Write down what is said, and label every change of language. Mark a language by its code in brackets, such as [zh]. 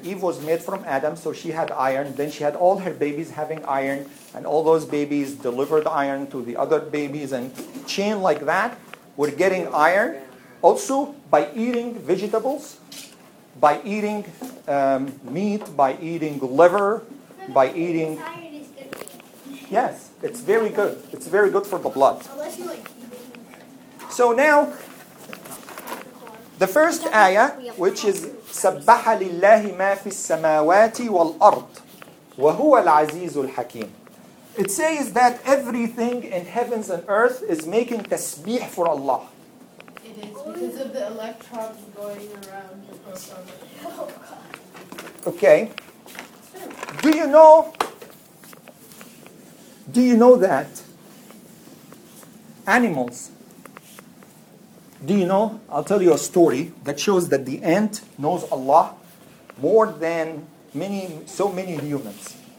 [en] Eve was made from Adam, so she had iron. Then she had all her babies having iron, and all those babies delivered iron to the other babies, and chain like that, we're getting iron. Also, by eating vegetables, by eating meat, by eating liver, by eating... Iron is good for you. Yes, it's very good. It's very good for the blood. Unless you like eating. So now, the first ayah, which is [ar] سَبَّحَ لِلَّهِ مَا فِي السَّمَاوَاتِ وَالْأَرْضِ وَهُوَ الْعَزِيزُ الْحَكِيمُ. [en] It says that everything in heavens and earth is making tasbih for Allah. Because of the electrons going around the proton. Oh, okay. Do you know that animals, I'll tell you a story that shows that the ant knows Allah more than so many humans.